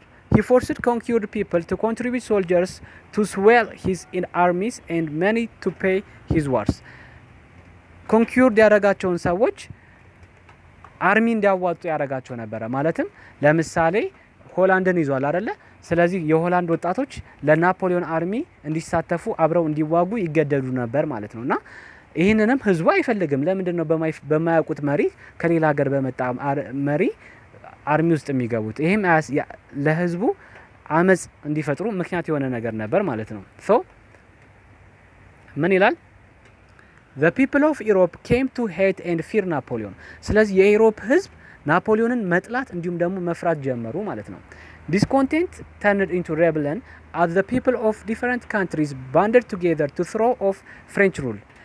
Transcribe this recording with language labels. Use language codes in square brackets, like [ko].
[en] He forced conquered people to contribute soldiers to swell his in armies and money to pay his wars. [am] Conquered ያረጋቸውን ሰዎች አርሚ እንዲያዋጡ ያረጋቸው ነበር። ማለትም ለምሳሌ ሆላንድን ይዟል አይደለ? ስለዚህ የሆላንድ ወጣቶች ለናፖሊዮን አርሚ እንዲሳተፉ አብረው እንዲዋጉ ይገደዱ ነበር ማለት ነውና ይሄንንም ህዝቡ አይፈልግም። ለምንድን ነው በማያውቁት መሪ ከሌላ ሀገር በመጣ መሪ አርሚ ውስጥ የሚገቡት? ይሄም ለህዝቡ አመጽ እንዲፈጥሩ ምክንያት የሆነ ነገር ነበር ማለት ነው። ሶ ምን ይላል? [en] The people of Europe came to hate and fear Napoleon. [am] ስለዚህ የአውሮፓ ህዝብ ናፖሊዮንን መጥላት እንዲሁም ደግሞ መፍራት ጀመሩ ማለት ነው። [en] Discontent turned into rebellion as the people of different countries banded together to throw off French rule.